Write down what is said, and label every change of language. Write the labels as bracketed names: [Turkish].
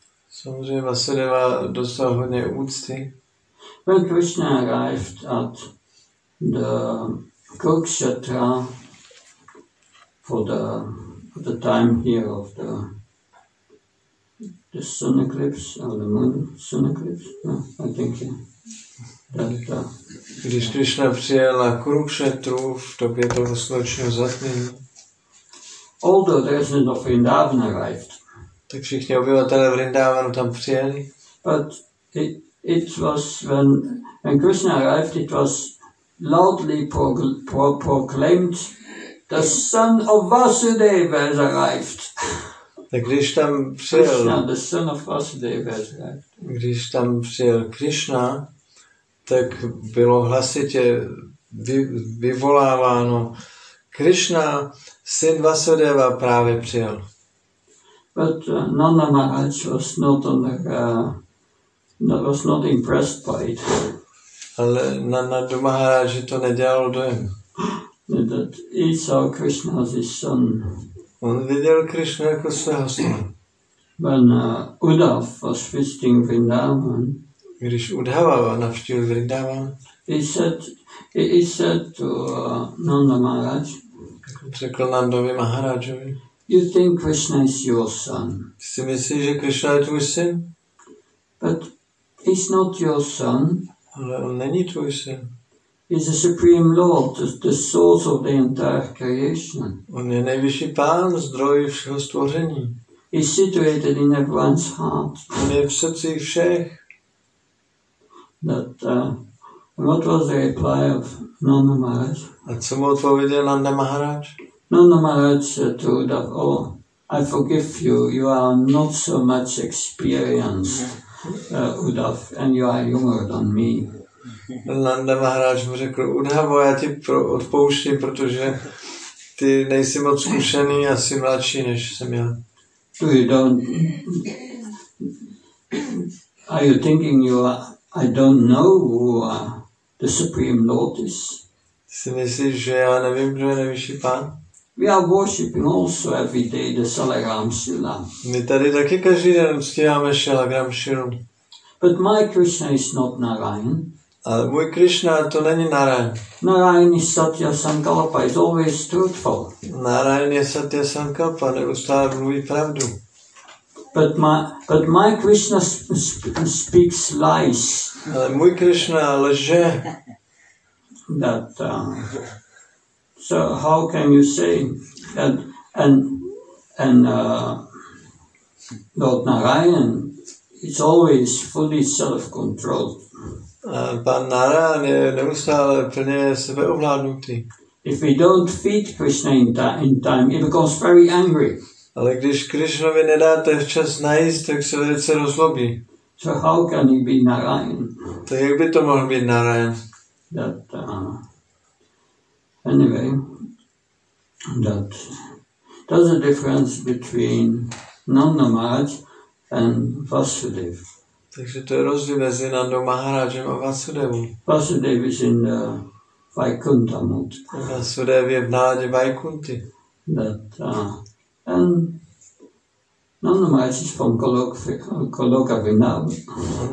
[Czech] Samozřejmě Vasudeva dostal hodně úcty. [English] When Krishna arrived at the Kurukshetra for the time here of the sun eclipse or the moon sun eclipse, no, I think that. [Czech] Když Krishna přijel na Kurukshetru v době toho slunečního zatmění. [English] Although the residents of Vrindavan arrived. [Czech] Tak všichni obyvatelé Vrindavanu tam přijeli. [English] But it was when Krishna arrived, it was loudly proclaimed, the son of Vasudeva has arrived. [Czech] Tak když tam přijel [English] Krishna, the son of Vasudeva has arrived. [Czech] Když tam přijel Krishna, tak bylo hlasitě vyvoláváno, Krishna, syn Vasudeva právě přijel. [English] But Nanda Maharaj was not on that was not impressed by it. [Czech] Ale Nanda Maharaj to nedělal dojem. [English] That he saw Krishna as his son. [Czech] On viděl Krishna jako svého syna. [English] When Uddhav was visiting Vrindavan. [Czech] Když Uddhava navštívil Vrindavan. [English] He said to Nanda Maharaj. [Czech] Řekl Nandovi Maharajovi. [English] You think Krishna is your son? [Czech] Si myslíš, že Krishna je tvůj syn? [English] But he's not your son. [Czech] Ale on není tvůj syn. [English] He's the supreme Lord, the source of the entire creation. [Czech] On je nejvyšší pán, zdroj všeho stvoření. [English] He's situated in everyone's heart. [Czech] On je v srdci všech. [English] That, what was the reply of Nanda Maharaj? [Czech] A co mu odpověděl Nanda Maharaj? [English] Nanda Maharaj said to Uddhav, oh, I forgive you, you are not so much experienced, Uddhav, and you are younger than me. [Czech] Nanda Maharaj mu řekl, Uddhavo, já ti odpouštím, protože ty nejsi moc zkušený a jsi mladší, než jsem já. [English] Do you don't... Are you thinking you are... I don't know who the Supreme Lord is? [Czech] Si myslíš, že já nevím, kdo je nejvyšší pán? [English] We are worshipping also every day the Salagram Shila. [Czech] My tady taky každý den uctíváme Salagram Shilu. [English] But my Krishna is not Narayan. [Czech] Ale můj Krishna to není Narayan. [English] Narayan is Satya Sankalpa, is always truthful. [Czech] Narayan je Satya Sankalpa, neustále mluví pravdu. [English] But my Krishna speaks lies. [Czech] Ale můj Krishna lže. [English] That so how can you say that and Lord Narayan is always fully self-controlled. [Czech] Pan Narayan je neustále plně sebeovládnutý. [English] If we don't feed Krishna in time, he becomes very angry. [Czech] Ale když Krishnovi nedáte včas najíst, tak se velice rozlobí. [English] So how can he be Narayan? [Czech] To jak by to mohl být Narayan? [English] That anyway, that there's a difference between Nanda Maharaj and Vasudev. [Czech] Takže to je rozdíl mezi Nanda Maharajem a Vasudevem. [English] Vasudev is in the Vaikuntha mood. [Czech] Vasudev je v náladě Vaikunty. [English] That and Nanda Maharaj is from Goloka Vrindavan.